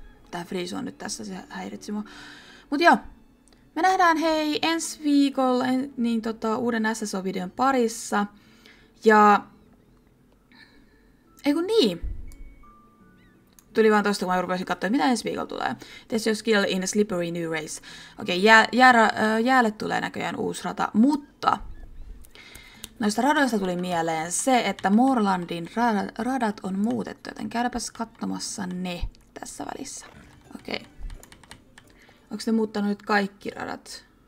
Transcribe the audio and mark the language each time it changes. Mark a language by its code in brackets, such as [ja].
[fi] Tää friisu on nyt tässä, se häiritsi mua. Mut joo. Me nähdään hei ensi viikolla niin uuden SSO-videon parissa. Ja eiku niin. Tuli vaan tosta, kun mä rupesin katsoa, mitä ensi viikolla tulee. [en] This is skill in a slippery new race. [fi] Okei, jäälle tulee näköjään uusi rata, mutta noista radoista tuli mieleen se, että Morlandin radat on muutettu, joten käydäpäs katsomassa ne tässä välissä. Okei. Onko ne muuttanut nyt kaikki radat?